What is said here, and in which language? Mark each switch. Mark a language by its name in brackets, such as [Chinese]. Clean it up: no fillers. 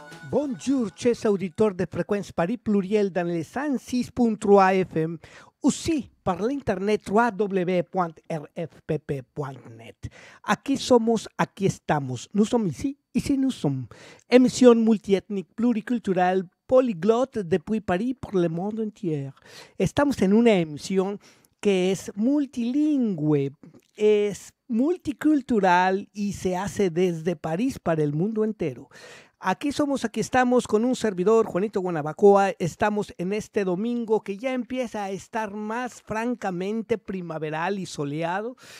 [French] Bonjour, chers auditeurs de fréquence Paris Pluriel dans les 106.3 FM, aussi par l'internet www.rfpp.net. [Spanish] Aquí somos, aquí estamos. [French] Nous sommes ici, ici nous sommes. Émission multiethnique, pluriculturelle, polyglotte depuis Paris pour le monde entier. [Spanish] Estamos en una emisión que es multilingüe, es multicultural y se hace desde París para el mundo entero. Aquí somos, aquí estamos con un servidor, Juanito Guanabacoa. Estamos en este domingo que ya empieza a estar más francamente primaveral y soleado.